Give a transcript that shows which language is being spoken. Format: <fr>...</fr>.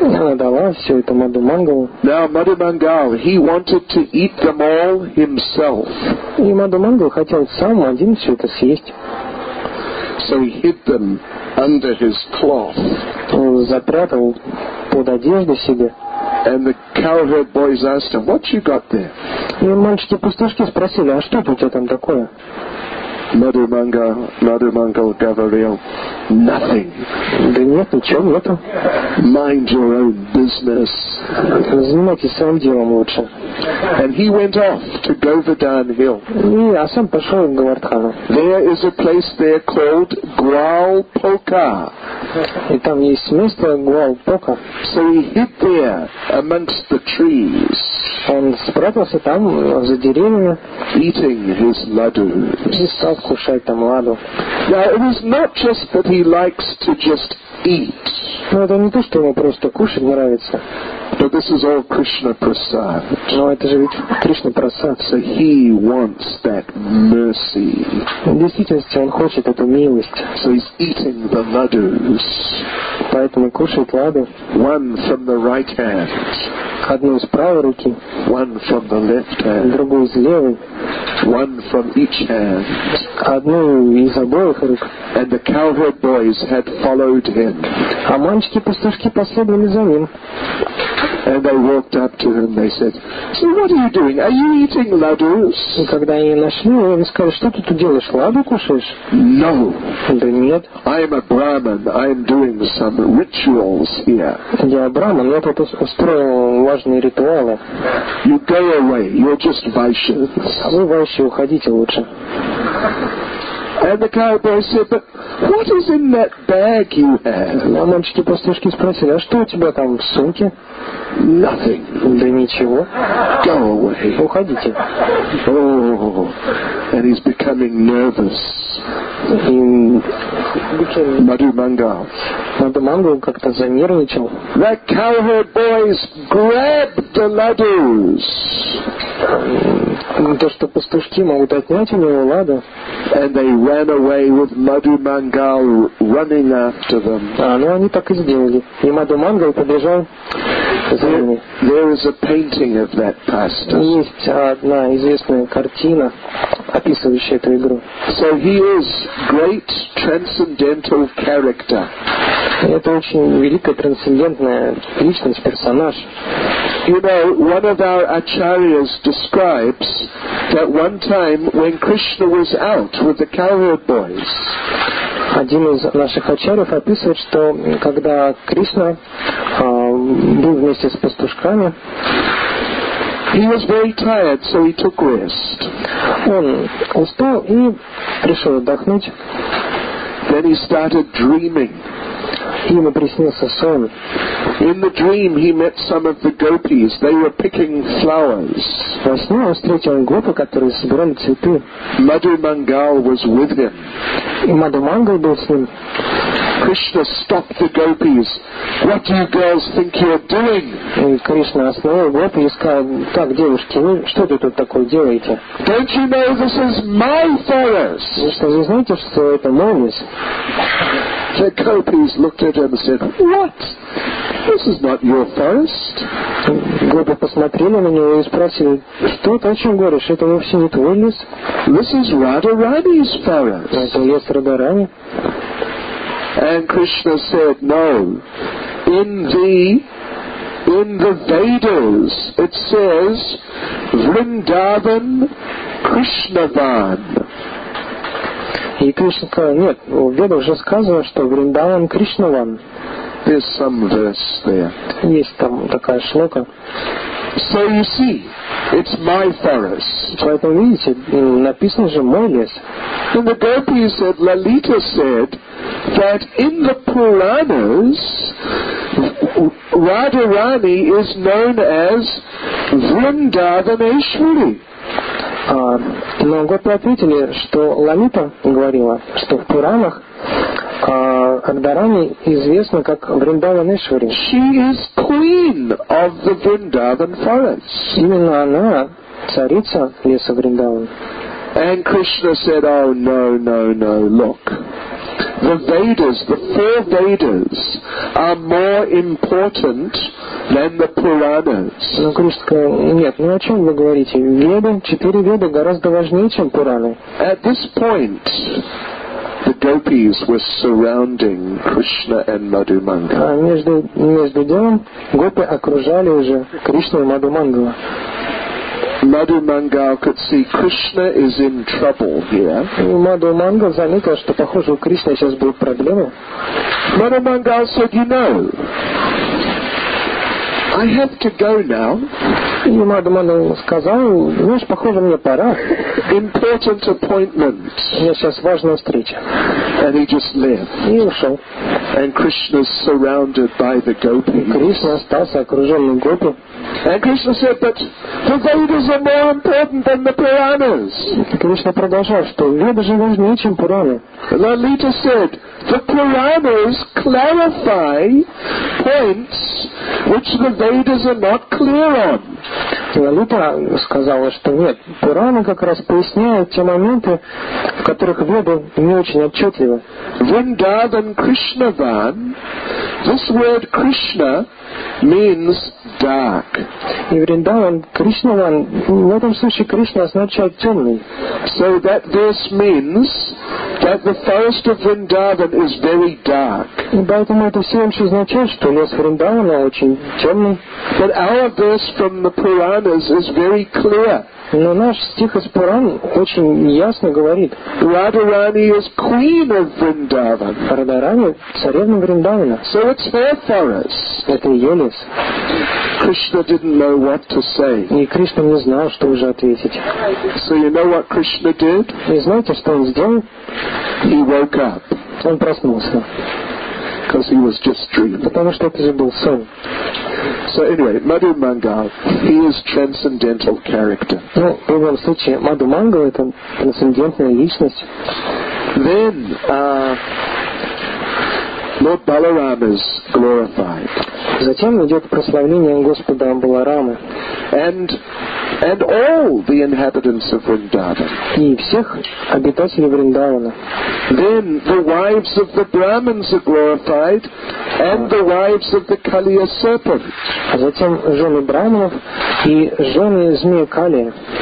<ru>Она дала все это Madhu Mangal.</ru> <en>Now Madhu Mangal, he wanted to eat them all himself.</en> <ru>И Madhu Mangal хотел сам один все это съесть.</ru> <en>So he hid them under his cloth.</en> <ru>Он запрятал под одежду себе.</ru> <en>And the cowherd boys asked him, "What you got there?"</en> <ru>И мальчики-пустышки спросили, а что у тебя там такое? Madhu Mangal говорил,</ru> <en>"Nothing."</en> <ru>Да нет, ничего нету.</ru> <en>Mind your own business.</en> <ru>Занимайтесь своим делом лучше.</ru> <en>And he went off to Govardhan Hill.</en> <ru>И а сам пошел в Говардхану.</ru> <en>There is a place there called Гваупока.</en> <ru>И там есть место Гваупока.</ru> <en>So he hid there amongst the trees.</en> <ru>Он спрятался там за деревьями.</ru> <en>Eating his laddu. Now it is not just that he likes to just eat.</en> <ru>Но это не то, что ему просто кушать нравится.</ru> <en>But this is all Krishna prasad.</en> <ru>Но это же ведь Кришна прасад.</ru> <en>So he wants that mercy.</en> <ru>В действительности он хочет эту милость.</ru> <en>So he's eating the laddus.</en> <ru>Поэтому кушает ладу.</ru> <en>One from the right hand.</en> <ru>Одну из правой руки.</ru> <en>One from the left hand.</en> <ru>Другую из левой.</ru> <en>One from each hand.</en> <ru>Одну из обоих рук.</ru> <en>And the cowherd boys had followed him.</en> <ru>А мальчики-пастушки последовали за ним.</ru> <en>And they walked up to him. They said, "So what are you doing? Are you eating laddus?"</en> <ru>И когда они нашли, они сказали, что ты тут делаешь? Ладу кушаешь?</ru> <en>No.</en> <ru>Да нет.</ru> <en>I am a Brahman. I am doing some rituals here.</en> <ru>Я Брахман. Я тут устроил важные ритуалы.</ru> <en>You go away. You're just Vaishyas.</en> <ru>А вы Вайши, уходите лучше.</ru> <en>And the cowboy said, "But what is in that bag you have?"</en> <ru>А мальчики-пастушки спросили, а что у тебя там в сумке?</ru> <en>Nothing.</en> <ru>Да ничего.</ru> <en>Go away.</en> <ru>Уходите.</ru> <en>Oh, and he's becoming nervous. Madhu Mangal.</en> <ru>Madhu Mangal как-то занервничал.</ru> <en>That cowherd boys grabbed the ladders.</en> <ru>То, что пастушки могут отнять у него ладу.</ru> <en>And they ran away with Madhu Mangal running after them.</en> <ru>А, ну они так и сделали. И Madhu Mangal побежал.</ru> <en>There is a painting of that pastor.</en> <ru>Есть одна известная картина, описывающая эту игру.</ru> <en>So he is great transcendental character.</en> <ru>Это очень великая трансцендентная личность, персонаж.</ru> <en>You know, one of our acharyas describes that one time when Krishna was out with the cowherd boys.</en> <ru>Один из наших ачарьев описывает, что когда Кришна был вместе с пастушками,</ru> <en>he was very tired, so he took rest.</en> <ru>Он устал и решил отдохнуть.</ru> <en>Then he started dreaming.</en> <ru>Ему приснился сон.</ru> <en>In the dream, he met some of the gopis. They were picking flowers.</en> <ru>Во сне он встретил гопи, которые собирали цветы.</ru> <en>Madhu Mangal was with him.</en> <ru>И Madhu Mangal был с ним.</ru> <en>Krishna stopped the gopis. What do you girls think you are doing?</en> <ru>И Кришна остановил гопи и сказал: «Так, девушки, вы что тут такое делаете?»</ru> <en>Don't you know this is my forest?</en> <ru>Вы что, вы знаете, что это мой лес?</ru> <en>The gopis looked at him and said, "What? This is not your forest."</en> <ru>Гопи посмотрели на него и спросили: "Что ты, о чем говоришь? Это вовсе не твой лес."</ru> <en>This is Radharani's forest.</en> <ru>Это лес Радхарани.</ru> <en>And Krishna said, "No. In the Vedas, it says, Vrindavan Krishnavan."</en> <ru>И Кришна сказал: нет, в Ведах уже сказано, что Вриндаван Кришнаван.</ru> <en>There's some verse there.</en> <ru>Есть там такая шлока.</ru> <en>So you see, it's my forest.</en> <ru>Поэтому видите, написано же мой лес.</ru> <en>And the gopi said, Lalita said, that in the Puranas, Radharani is known as Vrindavaneshwari.</en> <ru>Но гопи ответили, что Лалита говорила, что в Пуранах Радхарани известна как Вриндаванешвари.</ru> <en>She is queen of the Vrindavan forest.</en> <ru>Именно она царица леса Вриндаван.</ru> <en>And Krishna said, "Oh no, no, no! Look, the Vedas, the four Vedas, are more important than the Puranas."</en> <ru>Но Кришна сказал: нет, ну о чем вы говорите? Веды, четыре Веды гораздо важнее, чем Пураны.</ru> <en>At this point, the gopis were surrounding Krishna and Madhu Mangala.</en> <ru>А между делом гопи окружали уже Кришну и Madhu Mangala.</ru> <en>Madhu Mangal could see Krishna is in trouble here.</en> <ru>Madhu Mangal заметил, что похоже у Кришны сейчас будут проблемы.</ru> <en>Madhu Mangal said, "You know, I have to go now."</en> <ru>И Madhu Mangal сказал: знаешь, похоже, мне пора.</ru> <en>Important appointment.</en> <ru>У меня сейчас важная встреча.</ru> <en>And he just left.</en> <ru>И ушел.</ru> <en>And Krishna is surrounded by the gopis.</en> <ru>Кришна остался окруженным гопи.</ru> <en>And Krishna said, "But the Vedas are more important than the Puranas."</en> <ru>Кришна продолжал, что Веды же важнее, чем Пураны.</ru> <en>Lalita said, "The Puranas clarify points which the Vedas are not clear on."</en> <ru>Лалита сказала, что нет, Пураны как раз поясняют те моменты, в которых Веды не очень отчетливы.</ru> <en>Vrindavan Krishnavan, this word Krishna means dark.</en> <ru>И Вриндаван Кришнаван, в этом случае Кришна означает темный.</ru> <en>So that verse means that the forest of Vrindavan is very dark.</en> <ru>И поэтому это все еще означает, что лес Вриндавана очень темный.</ru> <en>But our verse from the Puranas is very clear.</en> <ru>Но наш стих из Пуран очень ясно говорит.</ru> <en>Radharani is queen of Vrindavan.</en> <ru>Радхарани царевна Вриндавана.</ru> <en>So it's her forest.</en> <ru>Это ее лес.</ru> <en>Krishna didn't know what to say.</en> <ru>И Кришна не знал, что уже ответить.</ru> <en>So you know what Krishna did?</en> <ru>И знаете, что он сделал?</ru> <en>He woke up.</en> <ru>Он проснулся.</ru> <en>Because he was just dreaming.</en> <ru>Потому что это же был сон.</ru> <en>So anyway, Madhu Mangal, he is transcendental character.</en> <ru>Ну, в любом случае, Madhu Mangal — это трансцендентная личность.</ru> <en>Then, Lord Balaram is glorified.</en> <ru>Затем идет прославление Господа Баларамы.</ru> <en>And and all the inhabitants of Vrindavan.</en> <ru>И всех обитателей Вриндавана.</ru> <en>Then the wives of the Brahmins are glorified, and the wives of the Kaliya serpent.</en> <ru>А затем жены Брахманов и жены змея Кали.</ru>